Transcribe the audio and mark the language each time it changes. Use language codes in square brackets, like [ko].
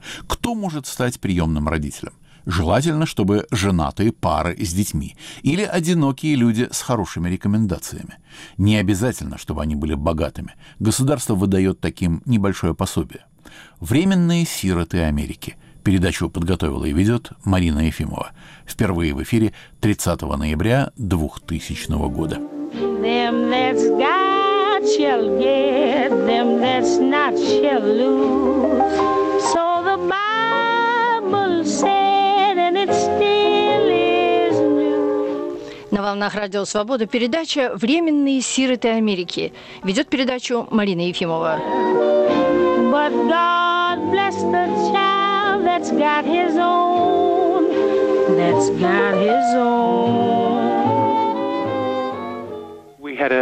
[ru] Кто может стать приемным родителем? Желательно, чтобы женатые пары с детьми или одинокие люди с хорошими рекомендациями. Не обязательно, чтобы они были богатыми. Государство выдает таким небольшое пособие. «Временные сироты Америки». Передачу подготовила и ведет Марина Ефимова. Впервые в эфире 30 ноября 2000 года. [en] Them that's got shall get, them that's not shall lose. So the Bible said, and it still is new. [ru] На волнах радио «Свобода» передача «Временные сироты Америки». Ведет передачу Марина Ефимова. [en] But God bless the child that's got his own, that's got his own. We